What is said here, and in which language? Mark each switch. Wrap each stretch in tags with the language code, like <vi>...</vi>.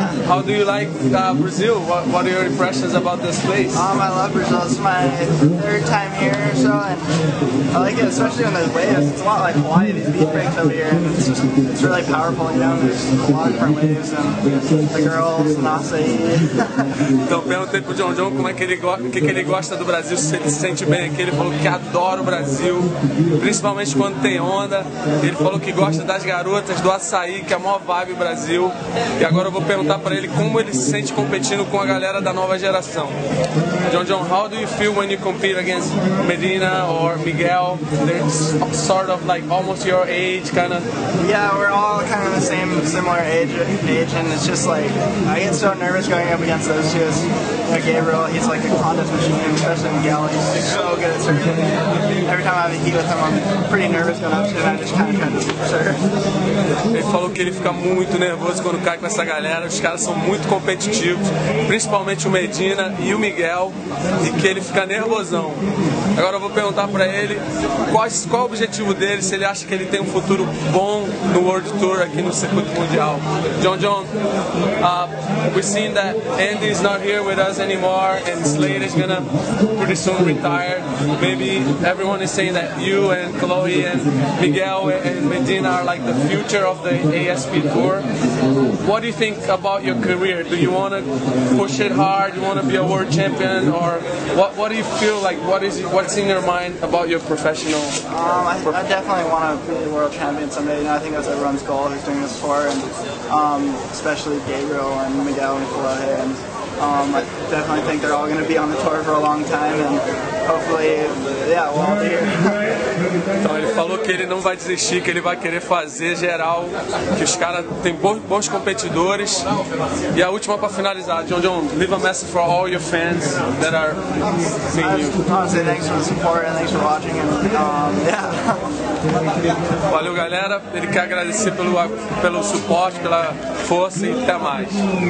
<en>How do you like Brazil? What are your impressions about this place? I love Brazil. It's my third time here or so, and I like it, especially on the waves. It's a lot like Hawaii. These beach breaks over here, and it's really powerful, you know? There's a lot of different waves, and the girls, and açaí.</en> <pt>Então, perguntei pro John, John, como é que ele que ele gosta do Brasil, se ele se sente bem aqui. Ele falou que adora o Brasil, principalmente quando tem onda. Ele falou que gosta das garotas, do açaí, que é a maior vibe do Brasil. E agora eu vou perguntar pra ele como ele se sente competindo com a galera da nova geração.</pt> <en>John, John, how do you feel when you compete against Medina or Miguel? They're sort of like almost your age, kind of. Yeah, we're all kind of the same, similar age, and it's just like, I get so nervous going up against those two. Like Gabriel, he's like a contest machine, especially Miguel. He's so good at serving. Every time I have a heat with him, I'm pretty nervous.</en> <pt>Ele falou que ele fica muito nervoso quando cai com essa galera. Os caras são muito competitivos, principalmente o Medina e o Miguel, e que ele fica nervosão. Agora eu vou perguntar pra ele qual o objetivo dele, se ele acha que ele tem um futuro bom no World Tour aqui no circuito mundial.</pt> <en>John, John, we've seen that Andy is not here with us anymore, and Slade is gonna pretty soon retire. Maybe everyone is saying that you and Chloe and Miguel and Medina are like the future of the ASP Tour. What do you think about your career? Do you want to push it hard? You want to be a world champion? Or what do you feel like? What's in your mind about your professional? I definitely want to be a world champion someday. You know, I think that's everyone's goal who's doing this tour, and especially Gabriel and Miguel and Chloe. And I definitely think they're all going to be on the tour for a long time, and hopefully, yeah, we'll all be here.</en> <pt>Então ele falou que ele não vai desistir, que ele vai querer fazer geral, que os caras têm bons competidores. E a última para finalizar,</pt> <en>John, John, leave a message for all your fans that are seeing you. Honestly, thanks for the support and thanks for watching. Yeah.</en> <pt>Valeu, galera. Ele quer agradecer pelo suporte, pela força, e até mais.</pt>